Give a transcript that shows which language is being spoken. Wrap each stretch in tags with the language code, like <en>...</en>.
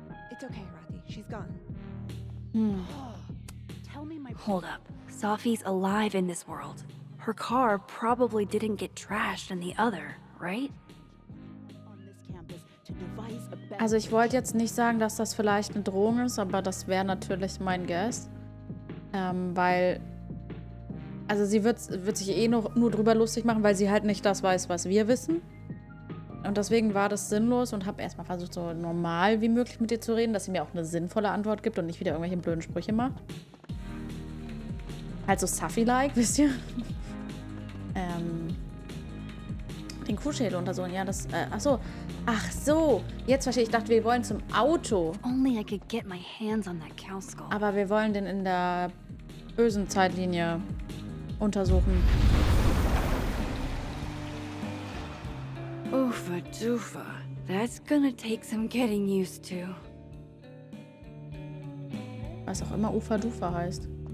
<en>It's okay, Rati. She's gone. Tell me my... Hold up. Safi's alive in this world. Her car probably didn't get trashed in the other, right?</en> <de>Also ich wollte jetzt nicht sagen, dass das vielleicht eine Drohung ist, aber das wäre natürlich mein Guess. Weil, also sie wird sich eh nur drüber lustig machen, weil sie halt nicht das weiß, was wir wissen. Und deswegen war das sinnlos und habe erstmal versucht, so normal wie möglich mit ihr zu reden, dass sie mir auch eine sinnvolle Antwort gibt und nicht wieder irgendwelche blöden Sprüche macht. Halt so Safi-like, wisst ihr? Den Kuhschädel untersuchen, ja, das, Ach so, jetzt verstehe ich. Ich dachte, wir wollen zum Auto.</de> <en>Only I could get my hands on that cow skull.</en> <de>Aber wir wollen den in der bösen Zeitlinie untersuchen.</de> <en>Ufa, dufa. That's gonna take some getting used to.</en> <de>Was auch immer Ufa, dufa heißt.</de>